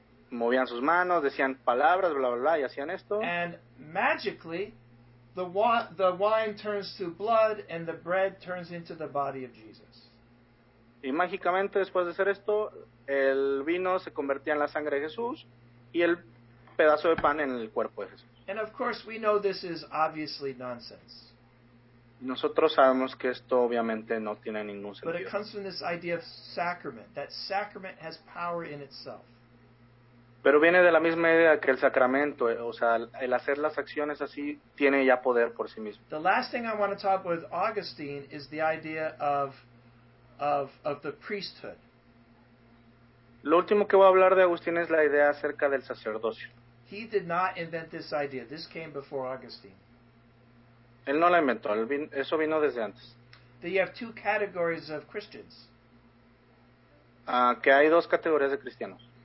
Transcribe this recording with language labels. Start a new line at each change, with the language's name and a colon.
Spanish: Movían sus manos, decían palabras, bla, bla, bla, y hacían esto.
English: And magically, the wine turns to blood and the bread turns into the body of Jesus.
Spanish: Y mágicamente, después de hacer esto, el vino se convertía en la sangre de Jesús y el pedazo de pan en el cuerpo de Jesús.
English: And of course, we know this is obviously nonsense.
Spanish: Nosotros sabemos que esto obviamente no tiene ningún sentido.
English: But it comes from this idea of sacrament, that sacrament has power in itself.
Spanish: Pero viene de la misma idea que el sacramento, o sea, el hacer las acciones así tiene ya poder por sí mismo.
English: The last thing I want to talk with Augustine is the idea of the priesthood.
Spanish: Lo último que voy a hablar de Agustín es la idea acerca del sacerdocio.
English: He did not invent this idea. This came before Augustine.
Spanish: Él no la inventó, eso vino desde antes.
English: That you have 2 categories of Christians.
Spanish: Que hay 2 categorías de cristianos.